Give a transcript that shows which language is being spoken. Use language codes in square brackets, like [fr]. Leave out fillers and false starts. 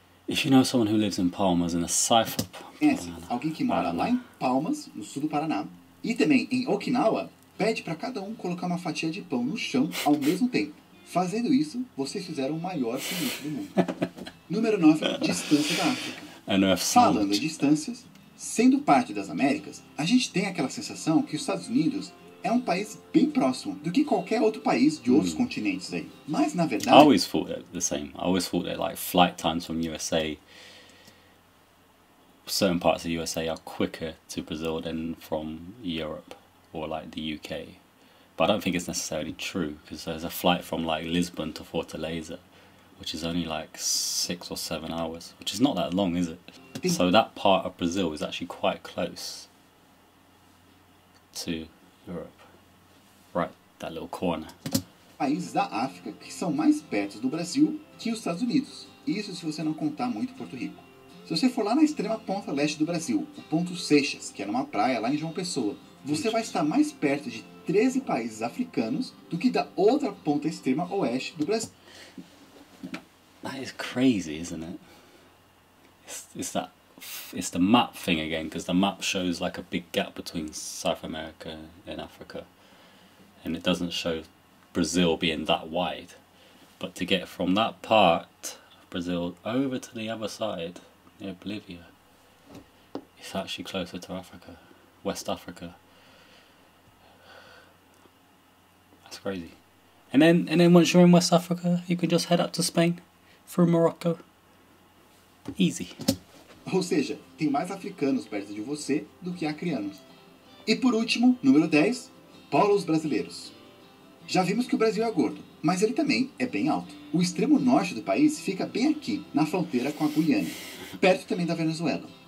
[en] If you know someone who lives in Palmas in the south of Paraná. [pt] Alguém que mora lá em Palmas, no sul do Paraná, e também em Okinawa, pede para cada um colocar uma fatia de pão no chão ao mesmo tempo. Fazendo isso, vocês fizeram o maior sanduíche do mundo. Número 9, distância da África. Falando em distâncias, sendo parte das Américas, a gente tem aquela sensação que os Estados Unidos é um país bem próximo do que qualquer outro país de outros continentes aí. Mas, na verdade... [en] I always thought that the same. I always thought that, like, flight times from USA, certain parts of USA are quicker to Brazil than from Europe or, like, the UK. But I don't think it's necessarily true, because there's a flight from, like, Lisbon to Fortaleza, which is only, like, 6 or 7 hours, which is not that long, is it? So that part of Brazil is actually quite close to Europe. Right, that little corner. [pt] Países da África que são mais perto do Brasil que os Estados Unidos. Isso se você não contar muito Porto Rico. Se você for lá na extrema ponta leste do Brasil, o Ponto Seixas, que é numa praia lá em João Pessoa, você vai estar mais perto de 13 países africanos do que da outra ponta extrema oeste do Brasil. [en] That is crazy, isn't it? It's the map thing again, because the map shows like a big gap between South America and Africa. And it doesn't show Brazil being that wide. But to get from that part of Brazil over to the other side, near Bolivia, it's actually closer to Africa, West Africa. That's crazy. And then once you're in West Africa, you can just head up to Spain through Morocco. Easy. [pt] Ou seja, tem mais africanos perto de você do que acrianos. E por último, número 10, polos brasileiros. Já vimos que o Brasil é gordo, mas ele também é bem alto. O extremo norte do país fica bem aqui, na fronteira com a Guiana, perto também da Venezuela.